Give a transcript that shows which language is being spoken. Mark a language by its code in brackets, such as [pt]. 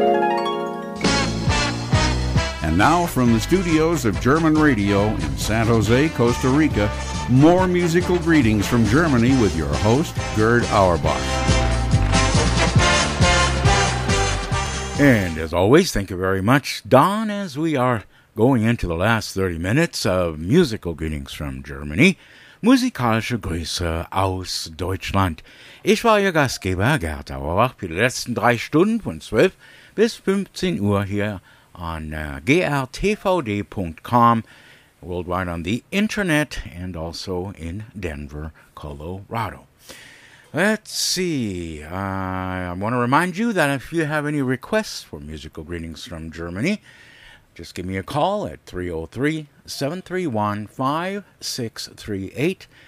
[en] And now from the studios of German Radio in San Jose, Costa Rica, more musical greetings from Germany with your host, Gerd Auerbach. And as always, thank you very much, Don, as we are going into the last 30 minutes of musical greetings from Germany. [de] Musikalische Grüße aus Deutschland. Ich war Ihr Gastgeber, Gerd Auerbach, für die letzten drei Stunden von 12 bis 15 Uhr hier [en] on gltvd.com, worldwide on the internet, and also in Denver, Colorado. Let's see. I want to remind you that if you have any requests for musical greetings from Germany, just give me a call at 303-731-5638.